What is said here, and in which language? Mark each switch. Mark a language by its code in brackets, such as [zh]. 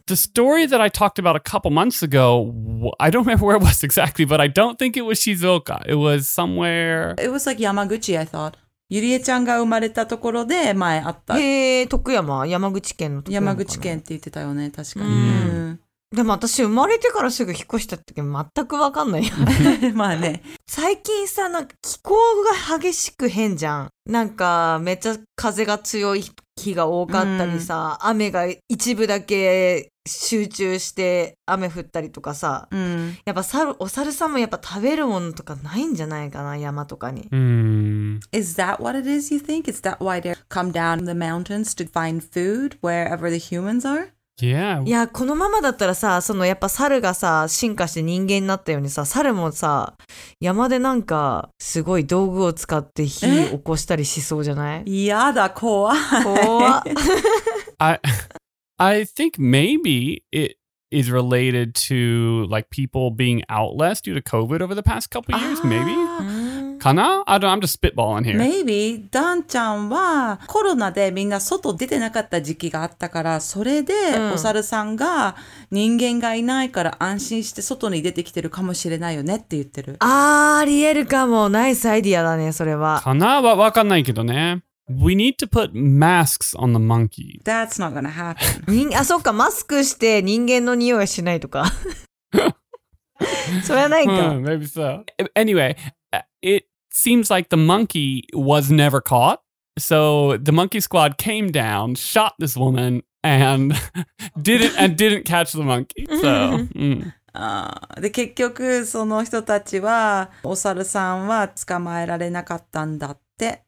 [en] The story that I talked about a couple months ago, I don't remember where it was exactly, but I don't think it was Shizuoka. It was somewhere... It was like Yamaguchi, I thought. [ja] ゆりえちゃんが生まれたところで前あった。へー、徳山、山口県の徳山かな。山口県って言ってたよね、確かに。でも私生まれてからすぐ引っ越したって全くわかんないよ。まあね。最近さ、なんか気候が激しく変じゃん。なんかめっちゃ風が強い日が多かったりさ、雨が一部だけ集中して雨降ったりとかさ、やっぱ猿、お猿さんもやっぱ食べるものとかないんじゃないかな、山とかに。 [en] Is that what it is you think? Is that why they come down the mountains to find food wherever the humans are? Yeah. [ja] いや、このままだったらさ、そのやっぱ猿がさ、進化して人間になったようにさ、猿もさ、山でなんかすごい道具を使って火を起こしたりしそうじゃない？いやだ、怖い。怖い。 [en] I think maybe it is related to like people being out less due to COVID over the past couple of years, maybe? [ja] かな? [en] I don't, I'm just spitballing here. Maybe. [ja] ダンちゃんはコロナでみんな外出てなかった時期があったから、それでお猿さんが人間がいないから安心して外に出てきてるかもしれないよねって言ってる。ああ、ありえるかも。ナイスアイディアだね、それは。かな?わかんないけどね。 [en] We need to put masks on the monkey. That's not gonna happen. [ja] あ、そっか。マスクして人間の匂いしないとか。それはないか。 [en] Maybe so. Anyway, it seems like the monkey was never caught. So the monkey squad came down, shot this woman, and didn't catch the monkey. So, [ja] で結局その人たちはお猿さんは捕まえられなかったんだって。